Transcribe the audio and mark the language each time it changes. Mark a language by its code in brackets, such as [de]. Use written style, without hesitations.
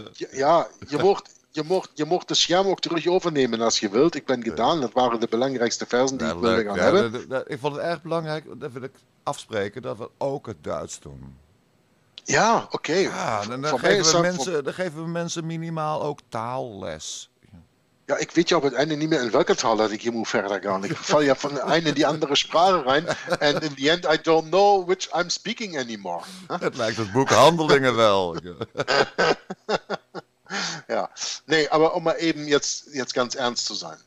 [nl] Ja, je mocht de scherm ook terug overnemen als je wilt. Ik ben gedaan, dat waren de belangrijkste versen die ik wilde gaan hebben. Ik vond het erg belangrijk, dat wil ik afspreken, dat we ook het Duits doen. Ja, oké. Dan geven we mensen minimaal ook taalles. Ja, ik weet op het einde niet meer in welke taal dat ik hier moet verder gaan. Ik val ja van de ene in die andere spraak rein. [en] And in the end, I don't know which I'm speaking anymore. [nl] Het lijkt het boek Handelingen wel. Ja, nee, maar om maar even [de] jetzt ganz ernst [nl] te zijn.